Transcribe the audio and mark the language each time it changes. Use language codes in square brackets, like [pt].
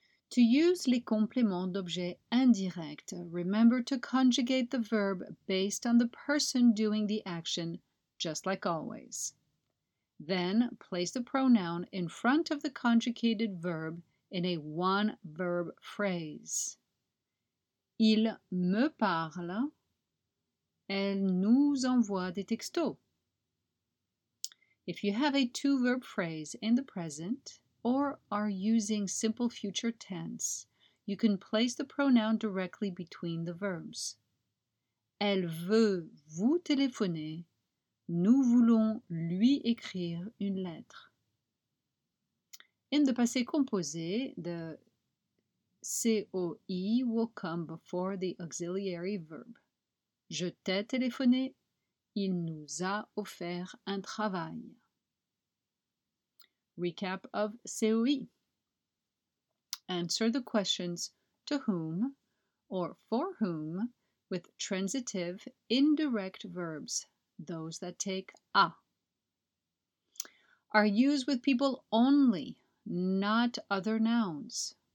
[en] To use [fr] les compléments d'objets indirects, [en] remember to conjugate the verb based on the person doing the action, just like always. Then, place the pronoun in front of the conjugated verb in a one-verb phrase. [fr] Il me parle. Elle nous envoie des textos. [en] If you have a two-verb phrase in the present, or are using simple future tense, you can place the pronoun directly between the verbs. [fr] Elle veut vous téléphoner. Nous voulons lui écrire une lettre. [en] In the passé composé, the COI will come before the auxiliary verb. [fr] Je t'ai téléphoné. Il nous a offert un travail. [en] Recap of COI. Answer the questions to whom or for whom with transitive indirect verbs, those that take a. Are used with people only, not other nouns.